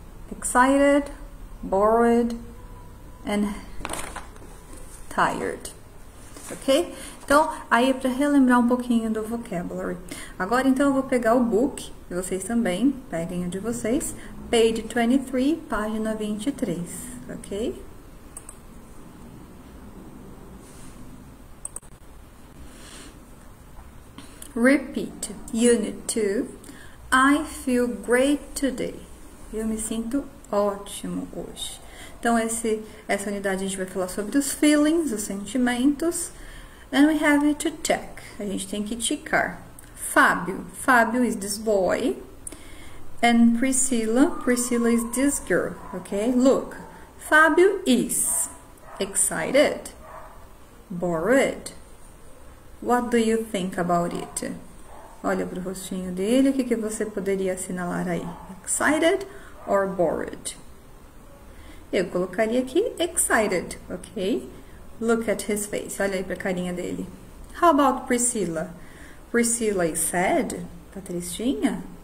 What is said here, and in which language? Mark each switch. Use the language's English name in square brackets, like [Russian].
[English] Excited, bored and tired. Ok? [Portuguese] Então, aí é para relembrar um pouquinho do vocabulary. Agora, então, eu vou pegar o book, e vocês também, peguem o de vocês, [English] page 23, [Portuguese] página 23, ok? [English] Repeat, unit 2. I feel great today. [Portuguese] Eu me sinto ótimo hoje. Então, essa unidade a gente vai falar sobre os feelings, os sentimentos. [English] And we have it to check. [Portuguese] A gente tem que ticar. [English] Fábio. Fábio is this boy. And Priscila. Priscila is this girl. Ok? Look. Fábio is excited. Bored. What do you think about it? [Portuguese] Olha pro rostinho dele. O que que você poderia assinalar aí? [English] Excited or bored? [Portuguese] Eu colocaria aqui [English] excited, ok? Look at his face. [Portuguese] Olha aí pra carinha dele. [English] How about Priscila? Priscila is sad? [Portuguese] Tá tristinha?